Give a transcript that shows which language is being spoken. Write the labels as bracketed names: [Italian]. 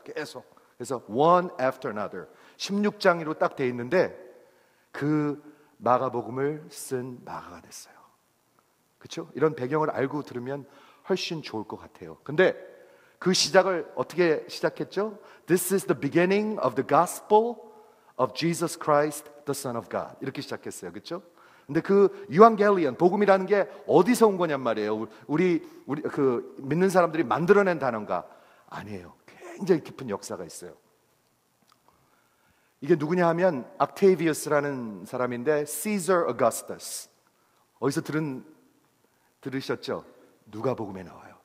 [Korean] 계속. 그래서 [English] one after another. [Korean] 16장으로 딱 돼 있는데 그 마가복음을 쓴 마가가 됐어요. 그렇죠? 이런 배경을 알고 들으면 훨씬 좋을 것 같아요. 근데 그 시작을 어떻게 시작했죠? [English] This is the beginning of the gospel of Jesus Christ, the Son of God. [Korean] 이렇게 시작했어요. 그렇죠? 근데 그 Evangelion, 복음이라는 게 어디서 온 거냔 말이에요. 우리 그 믿는 사람들이 만들어낸 단어인가? 아니에요. 굉장히 깊은 역사가 있어요. 이게 누구냐 하면 Octavius라는 사람인데 Caesar Augustus. 어디서 들으셨죠? 누가복음에 나와요.